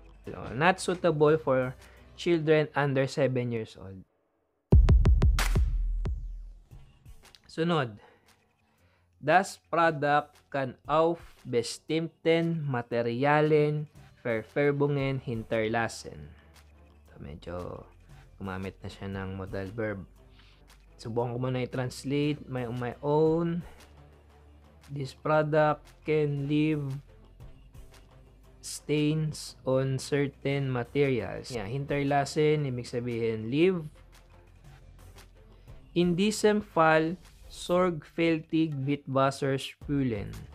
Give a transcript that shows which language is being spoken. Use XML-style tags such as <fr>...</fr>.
<en>So, not suitable for children under 7 years old.</en> <tl>Sunod.</tl> <de>Das Produkt kann auf bestimmten Materialien verfärbungen hinterlassen.</de> <tl>So, medyo gumamit na siya ng modal verb. Subukan ko muna i-translate</tl> <en>my own. This product can leave stains on certain materials.</en> <tl>Yeah, hinterlassen, ibig sabihin leave.</tl> <de>In diesem Fall, sorgfältig mit Wasser spülen.</de>